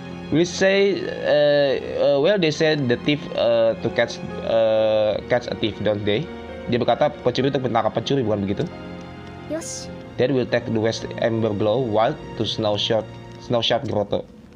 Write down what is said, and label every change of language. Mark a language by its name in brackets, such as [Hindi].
[English] We say, well, they said the thief to catch catch a thief, don't they? [Indonesian] Dia berkata, pencuri untuk menangkap pencuri, bukan begitu? [English] Yes. Then we'll take the West Ember Glow Wild to Snow Shard Grotto.